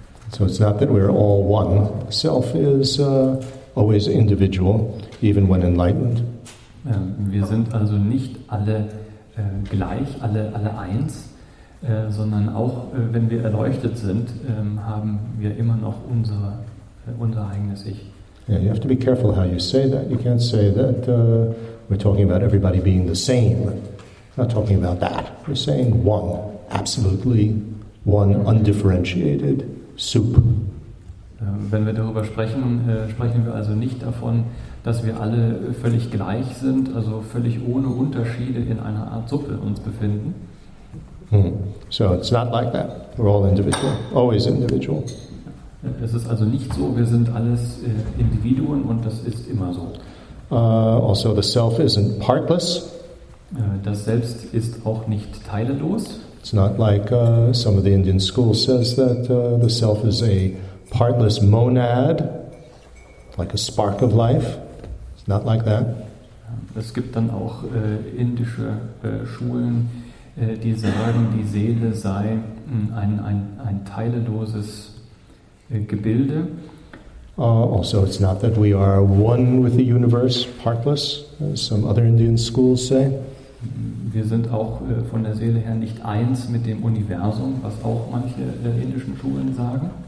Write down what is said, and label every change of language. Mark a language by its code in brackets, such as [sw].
[en] So it's not that we're all one. Self is always individual, even when enlightened. [de] Wir sind also nicht alle gleich, alle eins, sondern auch wenn wir erleuchtet sind, haben wir immer noch unser eigenes Ich. [en] Yeah, you have to be careful how you say that. You can't say that we're talking about everybody being the same. We're not talking about that. We're saying one, absolutely one, undifferentiated soup. [de] Wenn wir darüber sprechen, sprechen wir also nicht davon, dass wir alle völlig gleich sind, also völlig ohne Unterschiede in einer Art Suppe uns befinden. [en] Hmm. So it's not like that. We're all individual, always individual. [de] Es ist also nicht so, wir sind alles Individuen und das ist immer so. [en] Also the self isn't partless. [de] Das Selbst ist auch nicht teillos. [en] It's not like some of the Indian school says that the self is a partless monad, like a spark of life. It's not like that. [de] Es gibt dann auch indische Schulen, die sagen, die Seele sei ein teilloses Gebilde. [en] Also, it's not that we are one with the universe, partless, as some other Indian schools say. [de] Wir sind auch von der Seele her nicht eins mit dem Universum, was auch manche indischen Schulen sagen.